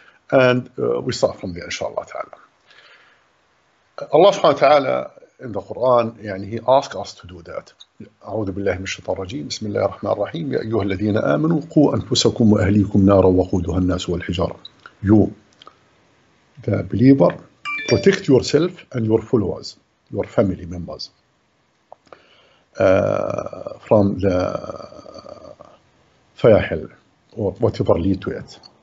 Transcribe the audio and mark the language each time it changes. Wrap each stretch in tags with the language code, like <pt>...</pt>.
<en>And we start from there, inshallah ta'ala. Allah subhanahu wa ta'ala in the Quran, يعني, he asked us to do that.</en> <ar>أعوذ بالله من الشيطان الرجيم. بسم الله الرحمن الرحيم. يا أيها الذين آمنوا قوا أنفسكم وأهليكم نارا وقودها الناس والحجارة.</ar> <en>You, the believer, protect yourself and your followers, your family members, from the fayahil or whatever lead to it.</en>